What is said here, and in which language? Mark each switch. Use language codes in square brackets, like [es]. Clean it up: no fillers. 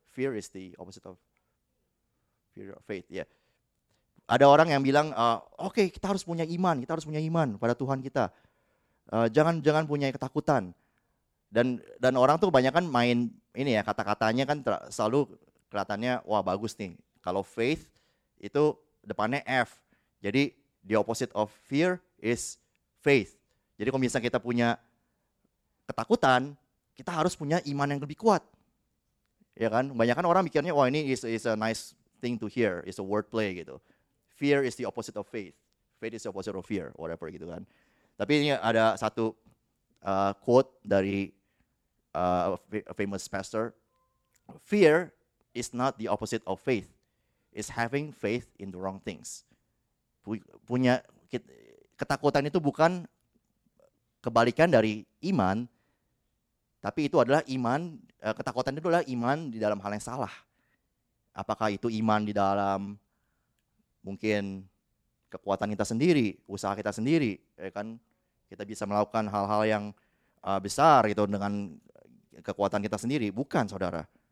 [en] Fear is the opposite of fear of faith. Yeah. [id] Ada orang yang bilang, kita harus punya iman. Kita harus punya iman pada Tuhan kita. Jangan punya ketakutan. Dan orang tuh banyak kan main ini ya, kata-katanya kan selalu kelihatannya wah bagus nih. Kalau faith itu depannya F. Jadi [en] the opposite of fear is faith. [id] Jadi kalau misalnya kita punya ketakutan, kita harus punya iman yang lebih kuat. Ya kan? Banyak kan orang mikirnya, wah ini [en] is a nice thing to hear, is a wordplay [id] gitu. [en] Fear is the opposite of faith. Faith is the opposite of fear, whatever [id] gitu kan. Tapi ini ada satu quote dari [en] a famous pastor. Fear is not the opposite of faith. It's having faith in the wrong things. [id] Punya ketakutan itu bukan kebalikan dari iman, tapi itu adalah iman, ketakutan itu adalah iman di dalam hal yang salah. Apakah itu iman di dalam mungkin kekuatan kita sendiri, usaha kita sendiri, ya kan, kita bisa melakukan hal-hal yang besar gitu dengan kekuatan kita sendiri. Bukan, saudara.